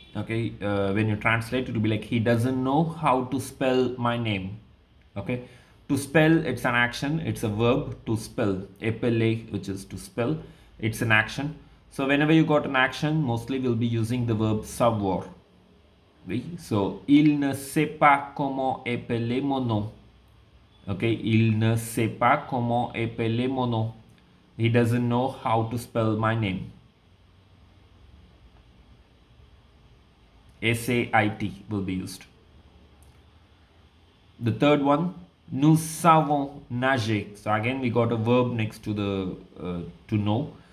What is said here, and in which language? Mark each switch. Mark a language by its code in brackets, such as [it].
[en] Okay, when you translate it to be like, he doesn't know how to spell my name. Okay, to spell, it's an action, it's a verb to spell. Épeler, which is to spell, it's an action. So whenever you got an action, mostly we'll be using the verb savoir. [fr] Oui? So il ne sait pas comment épeler mon nom. Okay, il ne sait pas comment épeler mon nom. [en] He doesn't know how to spell my name. S-A-I-T will be used. The third one, [fr] Nous savons nager. [en] So again, we got a verb next to the to know.